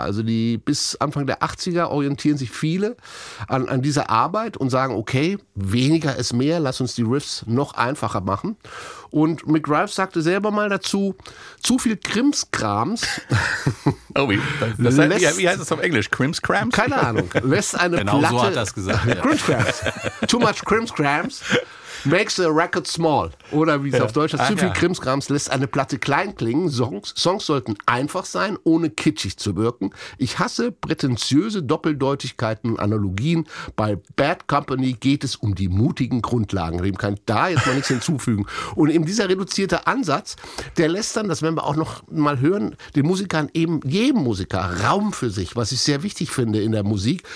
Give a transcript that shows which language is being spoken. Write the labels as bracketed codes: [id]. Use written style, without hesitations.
[de] Also die bis Anfang der 80er orientieren sich viele an dieser Arbeit und sagen, okay, weniger ist mehr, lass uns die Riffs noch einfacher machen. Und Mick Ralphs sagte selber mal dazu, zu viel Krimskrams. Oh, das heißt, wie heißt das auf Englisch? Krimskrams? Keine Ahnung. Lässt eine genau Platte, so hat er es gesagt. [en] Krimskrams. Too much Krimskrams. Makes the record small. [de] Oder wie es auf Deutsch heißt, zu viel Krimskrams lässt eine Platte klein klingen. Songs sollten einfach sein, ohne kitschig zu wirken. Ich hasse prätentiöse Doppeldeutigkeiten und Analogien. Bei Bad Company geht es um die mutigen Grundlagen. Dem kann ich da jetzt mal nichts hinzufügen. Und eben dieser reduzierte Ansatz, der lässt dann, das werden wir auch noch mal hören, den Musikern, eben jedem Musiker, Raum für sich, was ich sehr wichtig finde in der Musik.